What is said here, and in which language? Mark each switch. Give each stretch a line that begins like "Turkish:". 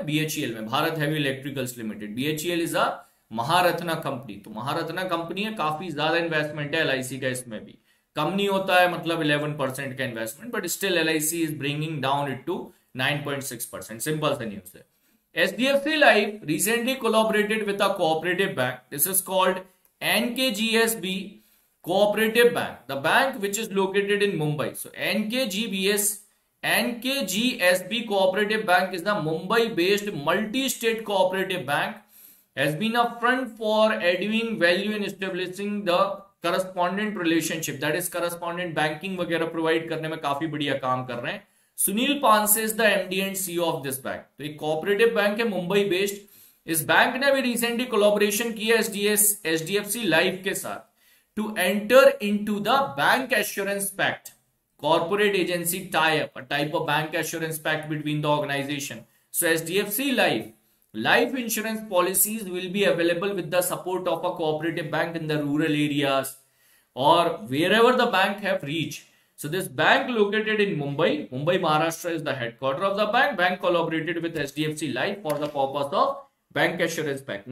Hindi: BHEL में, Bharat heavy electricals limited. BHEL
English: is a Maharatna company,
Hindi: तो Maharatna company है, काफी ज्यादा इन्वेस्टमेंट है LIC का इसमें भी. कम नहीं होता है मतलब 11% का investment,
English: But still LIC is bringing down it to 9.6%.
Hindi: Simple सा न्यूज है.
English: SBFC Life recently collaborated with a cooperative bank. This is called NKGSB Cooperative Bank. The bank which is located in Mumbai. So NKGSB Cooperative Bank is the Mumbai-based multi-state cooperative bank. Has been a front for adding value in establishing the correspondent relationship. That is correspondent banking
Hindi: वगैरह provide करने में काफी बढ़िया काम कर रहे हैं.
English: Sunil Panse is the MD and CEO of this bank.
Hindi: तो एक कोऑपरेटिव बैंक है मुंबई बेस्ड. इस बैंक ने भी रिसेंटली कोलैबोरेशन किया एचडीएफसी लाइफ के साथ
English: To enter into the bank assurance pact corporate agency tie up a type of bank assurance pact between the organisation. So HDFC life life insurance policies will be available with the support of a cooperative bank in the rural areas और wherever the bank have reach. So this bank located in Mumbai, Mumbai, Maharashtra is the headquarter of the bank. Bank collaborated with HDFC Life for the purpose of bank assurance pack.